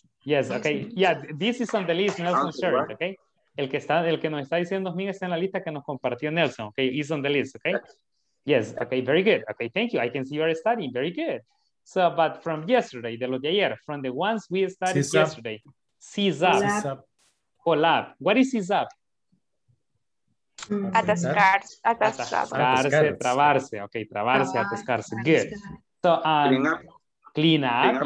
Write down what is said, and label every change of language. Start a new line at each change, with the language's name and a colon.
English: Yes, okay. Yeah, this is on the list, Nelson shared, okay?
Spanish: El que nos está diciendo Osmín está en la lista que nos compartió Nelson.
English: Okay, he's on the list, okay? Yes, okay, very good. Okay, thank you. I can see you are studying. Very good. So, but from yesterday,
Spanish: de los de ayer,
English: from the ones we studied C's yesterday. CSAP. Collab. What is CSAP?
Spanish: Atascarse,
English: trabarse. Okay,
Spanish: trabarse, atascarse.
English: Good. So, clean up.